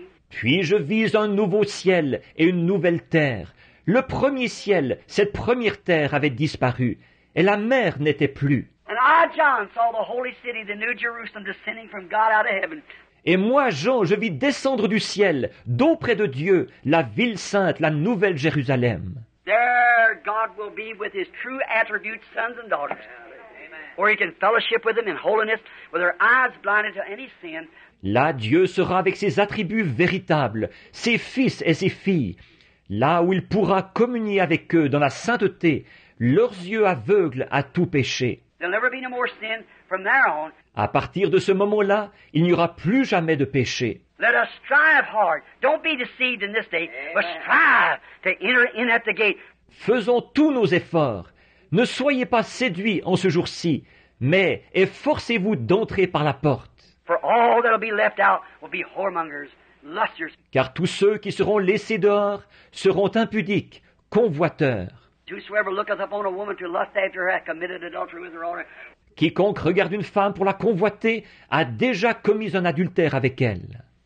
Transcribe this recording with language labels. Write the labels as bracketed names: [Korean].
[French] Puis je vis un nouveau ciel et une nouvelle terre. Le premier ciel, cette première terre avait disparu, et la mer n'était plus. [English] And I, John, saw the holy city, the new Jerusalem, descending from God out of heaven. [French] Et moi, Jean, je vis descendre du ciel, d'auprès de Dieu, la ville sainte, la nouvelle Jérusalem. [English] There God will be with his true attributes, sons and daughters. Amen. Or he can fellowship with them in holiness, with their eyes blinded to any sin. [French] Là, Dieu sera avec ses attributs véritables, ses fils et ses filles. Là où il pourra communier avec eux dans la sainteté, leurs yeux aveugles à tout péché. [English] There'll never be no more sin from there on. [French] À partir de ce moment-là, il n'y aura plus jamais de péché. [English] Let us strive hard. Don't be deceived in this day, but strive to enter in at the gate. [French] Faisons tous nos efforts. Ne soyez pas séduits en ce jour-ci, mais efforcez-vous d'entrer par la porte. [English] For all that will be left out will be whoremongers, lusters. [French] Car tous ceux qui seront laissés dehors seront impudiques, convoiteurs. [English] Whosoever looketh upon a woman to lust after her hath committed adultery with her already. [French] Quiconque regarde une femme pour la convoiter a déjà commis un adultère avec elle.